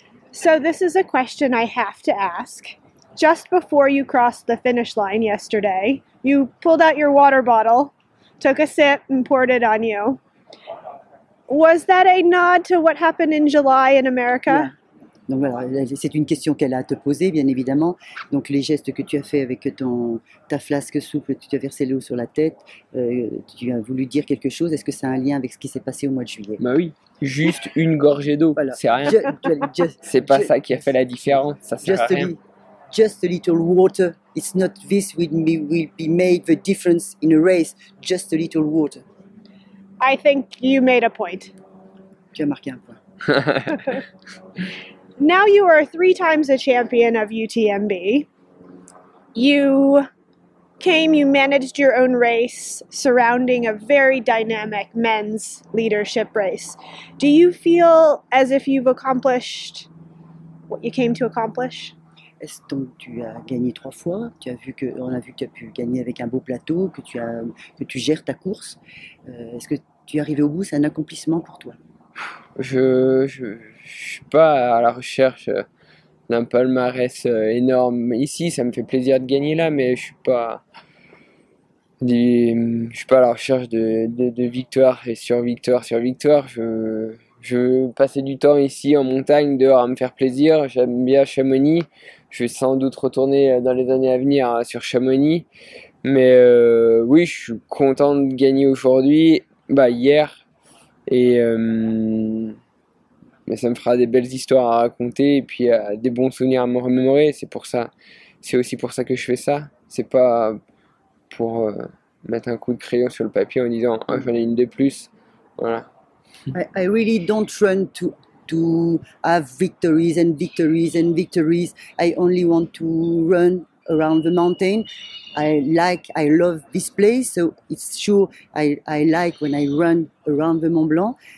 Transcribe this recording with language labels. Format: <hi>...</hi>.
<en>So this is a question I have to ask. Just before you crossed the finish line yesterday, you pulled out your water bottle, took a sip, and poured it on you. Was that a nod to what happened in July in America? Yeah.</en> <fr>Donc voilà, c'est une question qu'elle a à te poser, bien évidemment. Donc les gestes que tu as fait avec ta flasque souple, tu t'es versé l'eau sur la tête, tu as voulu dire quelque chose. Est-ce que ça a un lien avec ce qui s'est passé au mois de juillet? Bah oui, juste une gorgée d'eau, voilà. C'est rien. C'est pas ça qui a fait la différence, ça sert à rien.</fr> <en>Just a little water, it's not this will be made the difference in a race, just a little water. I think you made a point.</en> <fr>Tu as marqué un point.</fr> <en>Now you are three times a champion of UTMB. You came, you managed your own race surrounding a very dynamic men's leadership race. Do you feel as if you've accomplished what you came to accomplish?</en> <fr>Est-ce donc tu as gagné trois fois? Tu as vu que on a vu que tu as pu gagner avec un beau plateau, que tu gères ta course. Est-ce que tu es arrivé au bout? C'est un accomplissement pour toi? Je suis pas à la recherche d'un palmarès énorme ici. Ça me fait plaisir de gagner là, mais je suis pas à la recherche de victoire et sur victoire sur victoire. Je passais du temps ici en montagne, dehors, à me faire plaisir. J'aime bien Chamonix. Je vais sans doute retourner dans les années à venir sur Chamonix. Mais oui, je suis content de gagner aujourd'hui, hier. Mais ça me fera des belles histoires à raconter et puis des bons souvenirs à me remémorer. C'est aussi pour ça que je fais ça. C'est pas pour mettre un coup de crayon sur le papier en disant oh, j'en ai une de plus. Voilà.</fr> <en>I really don't run to have victories and victories and victories. I only want to run around the mountain. I love this place, so it's sure I like when I run around the Mont Blanc.</en>